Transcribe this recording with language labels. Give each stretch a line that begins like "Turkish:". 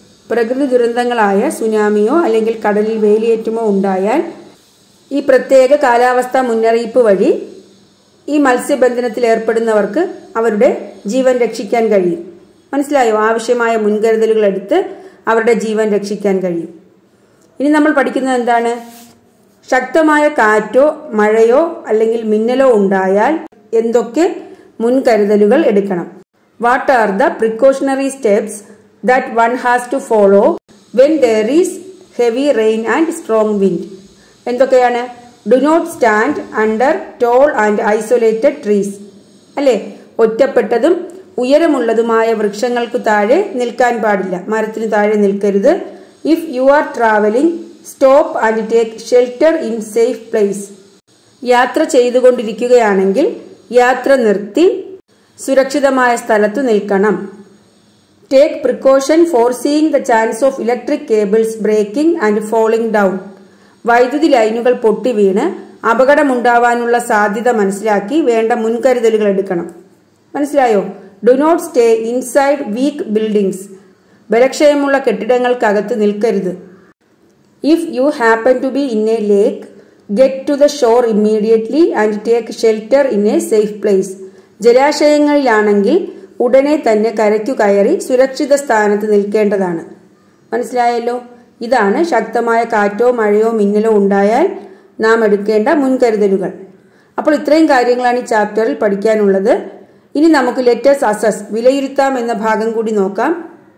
Malayalam: പ്രകൃതി ദുരന്തങ്ങളായ സുനാമിയോ അല്ലെങ്കിൽ കടലിൽ വേലിയേറ്റമോ ഉണ്ടായാൽ ഈ പ്രത്യേക കാലാവസ്ഥാ മുന്നറിയിപ്പ് വഴി ഈ മത്സ്യബന്ധനത്തിൽ ഏർപ്പെടുന്നവർക്ക് അവരുടെ ജീവൻ രക്ഷിക്കാൻ കഴിയും. മനസ്സിലായോ? ആവശ്യമായ മുൻകരുതലുകൾ എടുത്ത് അവരുടെ ജീവൻ രക്ഷിക്കാൻ കഴിയും. ഇനി നമ്മൾ പഠിക്കുന്നത് എന്താണ്? ശക്തമായ കാറ്റോ മഴയോ അല്ലെങ്കിൽ മിന്നലോ ഉണ്ടായാൽ എന്തൊക്കെ മുൻകരുതലുകൾ എടുക്കണം?
English: What are the precautionary steps that one has to follow when there is heavy rain and strong wind?
Malayalam: എന്തൊക്കെയാണ്?
English: Do not stand under tall and isolated trees.
Malayalam: അല്ലേ, ഒറ്റപ്പെട്ടതും ഉയരമുള്ളതുമായ വൃക്ഷങ്ങൾക്ക് താഴെ നിൽക്കാൻ പാടില്ല, മരത്തിന് താഴെ നിൽക്കരുത്.
English: If you are traveling, stop and take shelter in safe place.
Malayalam: യാത്ര ചെയ്തുകൊണ്ടിരിക്കുകയാണെങ്കിൽ യാത്ര നിർത്തി സുരക്ഷിതമായ സ്ഥലത്ത് നിൽക്കണം.
English: Take precaution foreseeing the chance of electric cables breaking and falling down.
Malayalam: വൈദ്യുതി ലൈനുകൾ പൊട്ടി വീണ് അപകടമുണ്ടാവാനുള്ള സാധ്യത മനസ്സിലാക്കി വേണ്ട മുൻകരുതലുകൾ എടുക്കണം. മനസ്സിലായോ?
English: Do not stay inside weak buildings.
Malayalam: ബലക്ഷയമുള്ള കെട്ടിടങ്ങൾക്കകത്ത് നിൽക്കരുത്.
English: If you happen to be in a lake, get to the shore immediately and take shelter in a safe place.
Malayalam: ജലാശയങ്ങളിലാണെങ്കിൽ ഉടനെ തന്നെ കരയ്ക്കു കയറി സുരക്ഷിത സ്ഥാനത്ത് നിൽക്കേണ്ടതാണ്. മനസ്സിലായല്ലോ? ഇതാണ് ശക്തമായ കാറ്റോ മഴയോ മിന്നലോ ഉണ്ടായാൽ നാം എടുക്കേണ്ട മുൻകരുതലുകൾ. അപ്പോൾ ഇത്രയും കാര്യങ്ങളാണ് ഈ ചാപ്റ്ററിൽ പഠിക്കാനുള്ളത്. ഇനി നമുക്ക് ലെറ്റേഴ്സ് അസസ് വിലയിരുത്താം എന്ന ഭാഗം കൂടി നോക്കാം.